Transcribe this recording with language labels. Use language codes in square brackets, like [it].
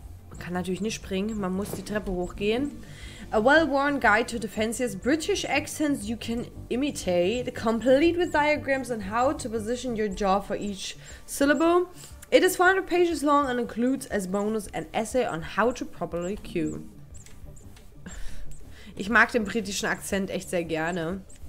[de] Man kann natürlich nicht springen, man muss die Treppe hochgehen. [en] A well-worn guide to the fanciest British accents you can imitate, complete with diagrams on how to position your jaw for each syllable. It is 400 pages long and includes as bonus an essay on how to properly cue. [de] Ich mag den britischen Akzent echt sehr gerne.